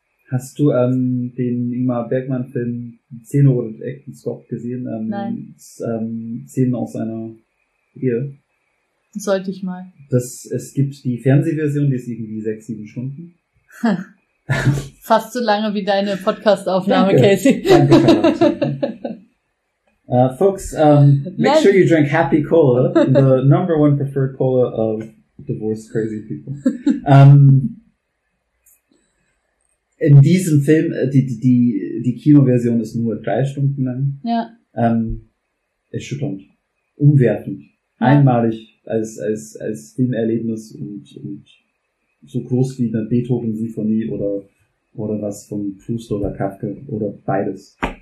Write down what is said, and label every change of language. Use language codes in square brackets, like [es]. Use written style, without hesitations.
[de] Hast du den Ingmar Bergman-Film Szene oder Actionstop gesehen? Nein. Szenen aus einer Ehe? Sollte ich mal. Es gibt die Fernsehversion, die ist irgendwie 6-7 Stunden. Fast so lange wie deine Podcast-Aufnahme, danke. Casey. Danke. [en] Folks, make sure you drink Happy Cola, the number one preferred cola of divorced crazy people. [de] In diesem Film, die Kinoversion ist nur 3 Stunden lang. Ja. Erschütternd. Umwertend. Ja. Einmalig als Filmerlebnis und so groß wie eine Beethoven-Sinfonie oder was von Proust oder Kafka oder beides.